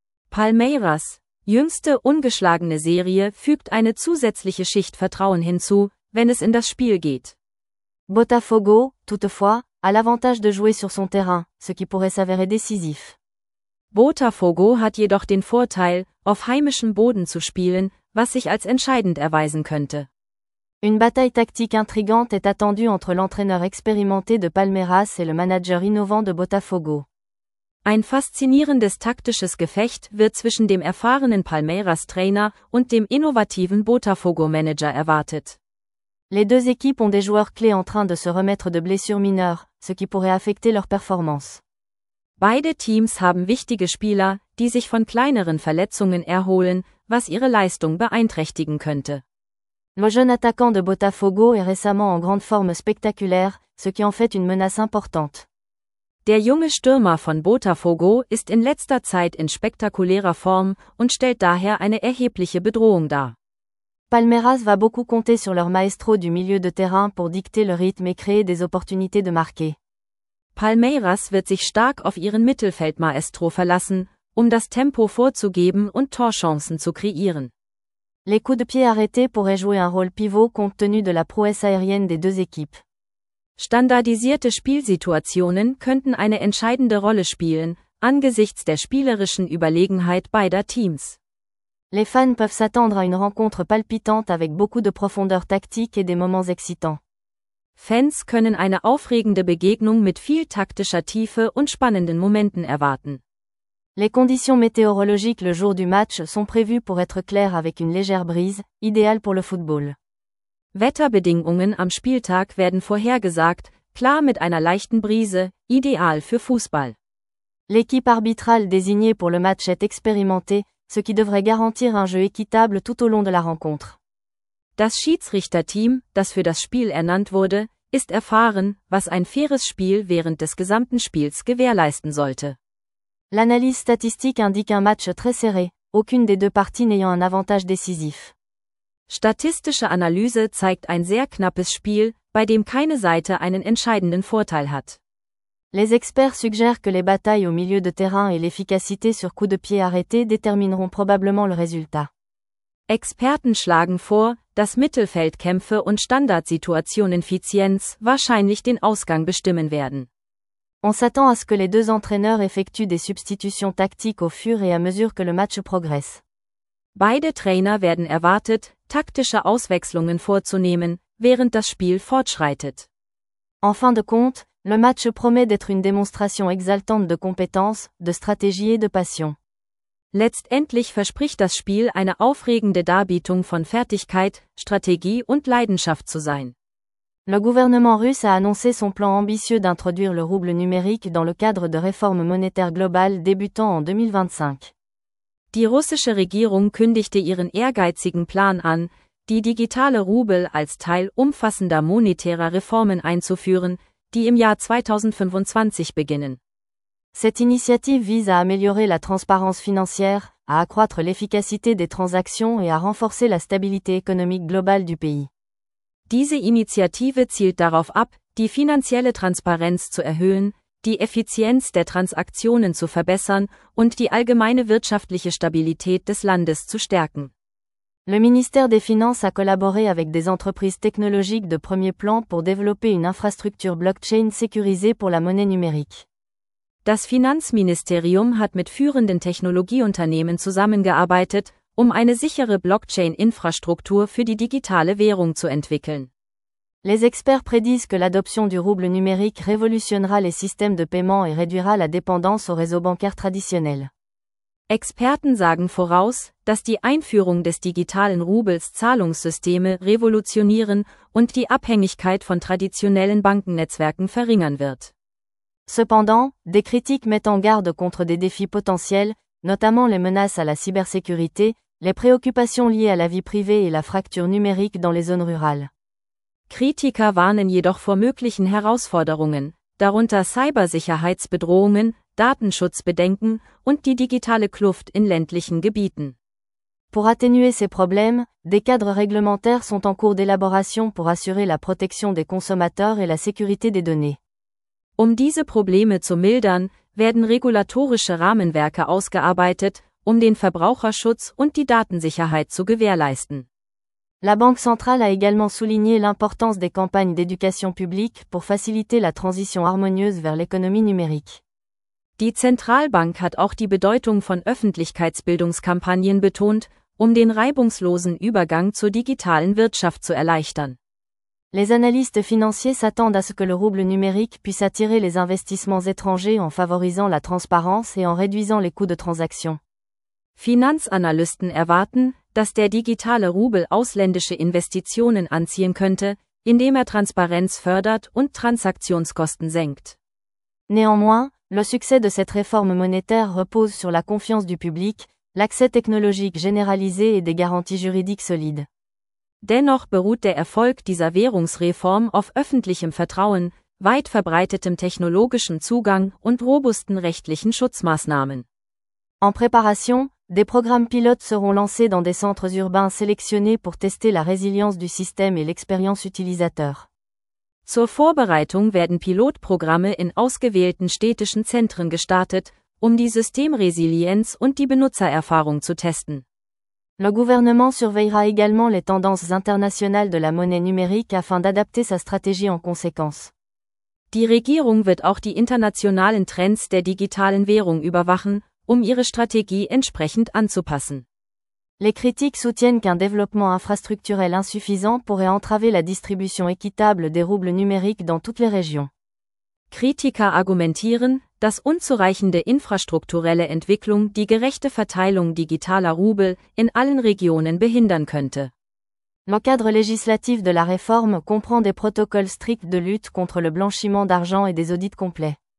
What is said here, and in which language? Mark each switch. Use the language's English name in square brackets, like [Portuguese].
[German] Palmeiras, jüngste ungeschlagene Serie, fügt eine zusätzliche Schicht Vertrauen hinzu, wenn es in das Spiel geht. [French] Botafogo, toutefois, a l'avantage de jouer sur son terrain, ce qui pourrait s'avérer décisif. [German] Botafogo hat jedoch den Vorteil, auf heimischem Boden zu spielen, was sich als entscheidend erweisen könnte. [French] Une bataille tactique intrigante est attendue entre l'entraîneur expérimenté de Palmeiras et le manager innovant de Botafogo. [German] Ein faszinierendes taktisches Gefecht wird zwischen dem erfahrenen Palmeiras-Trainer und dem innovativen Botafogo-Manager erwartet. [French] Les deux équipes ont des joueurs clés en train de se remettre de blessures mineures, ce qui pourrait affecter leur performance. [German] Beide Teams haben wichtige Spieler, die sich von kleineren Verletzungen erholen, was ihre Leistung beeinträchtigen könnte. [French] Le jeune attaquant de Botafogo est récemment en grande forme spectaculaire, ce qui en fait une menace importante. [German] Der junge Stürmer von Botafogo ist in letzter Zeit in spektakulärer Form und stellt daher eine erhebliche Bedrohung dar. [French] Palmeiras va beaucoup compter sur leur maestro du milieu de terrain pour dicter le rythme et créer des opportunités de marquer. [German] Palmeiras wird sich stark auf ihren Mittelfeldmaestro verlassen, um das Tempo vorzugeben und Torchancen zu kreieren. [French] Les coups de pied arrêtés pourraient jouer un rôle pivot compte tenu de la prouesse aérienne des deux équipes. [German] Standardisierte Spielsituationen könnten eine entscheidende Rolle spielen, angesichts der spielerischen Überlegenheit beider Teams. [French] Les fans peuvent s'attendre à une rencontre palpitante avec beaucoup de profondeur tactique et des moments excitants. [German] Fans können eine aufregende Begegnung mit viel taktischer Tiefe und spannenden Momenten erwarten. [French] Les conditions météorologiques le jour du match sont prévues pour être claires avec une légère brise, idéale pour le football. [German] Wetterbedingungen am Spieltag werden vorhergesagt, klar mit einer leichten Brise, idéal für Fußball. [French] L'équipe arbitrale désignée pour le match est expérimentée, ce qui devrait garantir un jeu équitable tout au long de la rencontre. [German] Das Schiedsrichterteam, das für das Spiel ernannt wurde, ist erfahren, was ein faires Spiel während des gesamten Spiels gewährleisten sollte. [French] L'analyse statistique indique un match très serré, aucune des deux parties n'ayant un avantage décisif. [German] Statistische Analyse zeigt ein sehr knappes Spiel, bei dem keine Seite einen entscheidenden Vorteil hat. [French] Les experts suggèrent que les batailles au milieu de terrain et l'efficacité sur coups de pied arrêtés détermineront probablement le résultat. [German] Experten schlagen vor, dass Mittelfeldkämpfe und Standardsituationeneffizienz wahrscheinlich den Ausgang bestimmen werden. [French] On s'attend à ce que les deux entraîneurs effectuent des substitutions tactiques au fur et à mesure que le match progresse. [German] Beide Trainer werden erwartet, taktische Auswechslungen vorzunehmen, während das Spiel fortschreitet. [French] En fin de compte, le match promet d'être une démonstration exaltante de compétences, de stratégie et de passion. [German] Letztendlich verspricht das Spiel eine aufregende Darbietung von Fertigkeit, Strategie und Leidenschaft zu sein. [French] Le gouvernement russe a annoncé son plan ambitieux d'introduire le rouble numérique dans le cadre de réformes monétaires globales débutant en 2025. [German] Die russische Regierung kündigte ihren ehrgeizigen Plan an, die digitale Rubel als Teil umfassender monetärer Reformen einzuführen, die im Jahr 2025 beginnen. [French] Cette initiative vise à améliorer la transparence financière, à accroître l'efficacité des transactions et à renforcer la stabilité économique globale du pays. [German] Diese Initiative zielt darauf ab, die finanzielle Transparenz zu erhöhen, die Effizienz der Transaktionen zu verbessern und die allgemeine wirtschaftliche Stabilität des Landes zu stärken. [French] Le ministère des Finances a collaboré avec des entreprises technologiques de premier plan pour développer une infrastructure blockchain sécurisée pour la monnaie numérique. [German] Das Finanzministerium hat mit führenden Technologieunternehmen zusammengearbeitet, um eine sichere Blockchain-Infrastruktur für die digitale Währung zu entwickeln. [French] Les experts prédisent que l'adoption du rouble numérique révolutionnera les systèmes de paiement et réduira la dépendance aux réseaux bancaires traditionnels. [German] Experten sagen voraus, dass die Einführung des digitalen Rubels Zahlungssysteme revolutionieren und die Abhängigkeit von traditionellen Bankennetzwerken verringern wird. [French] Cependant, des critiques mettent en garde contre des défis potentiels, notamment les menaces à la cybersécurité, les préoccupations liées à la vie privée et la fracture numérique dans les zones rurales. [German] Kritiker warnen jedoch vor möglichen Herausforderungen, darunter Cybersicherheitsbedrohungen, Datenschutzbedenken und die digitale Kluft in ländlichen Gebieten. [French] Pour atténuer ces problèmes, des cadres réglementaires sont en cours d'élaboration pour assurer la protection des consommateurs et la sécurité des données. [German] Um diese Probleme zu mildern, werden regulatorische Rahmenwerke ausgearbeitet, um den Verbraucherschutz und die Datensicherheit zu gewährleisten. [French] La Banque centrale a également souligné l'importance des campagnes d'éducation publique pour faciliter la transition harmonieuse vers l'économie numérique. [German] Die Zentralbank hat auch die Bedeutung von Öffentlichkeitsbildungskampagnen betont, um den reibungslosen Übergang zur digitalen Wirtschaft zu erleichtern. [French] Les analystes financiers s'attendent à ce que le rouble numérique puisse attirer les investissements étrangers en favorisant la transparence et en réduisant les coûts de transaction. [German] Finanzanalysten erwarten, dass der digitale Rubel ausländische Investitionen anziehen könnte, indem er Transparenz fördert und Transaktionskosten senkt. [French] Néanmoins, le succès de cette réforme monétaire repose sur la confiance du public, l'accès technologique généralisé et des garanties juridiques solides. [German] Dennoch beruht der Erfolg dieser Währungsreform auf öffentlichem Vertrauen, weit verbreitetem technologischen Zugang und robusten rechtlichen Schutzmaßnahmen. [French] En préparation, des programmes pilotes seront lancés dans des centres urbains sélectionnés pour tester la résilience du système et l'expérience utilisateur. [German] Zur Vorbereitung werden Pilotprogramme in ausgewählten städtischen Zentren gestartet, um die Systemresilienz und die Benutzererfahrung zu testen. [French] Le gouvernement surveillera également les tendances internationales de la monnaie numérique afin d'adapter sa stratégie en conséquence. [German] Die Regierung wird auch die internationalen Trends der digitalen Währung überwachen, um ihre Strategie entsprechend anzupassen. [French] Les critiques soutiennent qu'un développement infrastructurel insuffisant pourrait entraver la distribution équitable des roubles numériques dans toutes les régions. [German] Kritiker argumentieren, dass unzureichende infrastrukturelle Entwicklung die gerechte Verteilung digitaler Rubel in allen Regionen behindern könnte. [French] Le cadre législatif de la réforme comprend des protocoles stricts de lutte contre le blanchiment d'argent et des audits complets.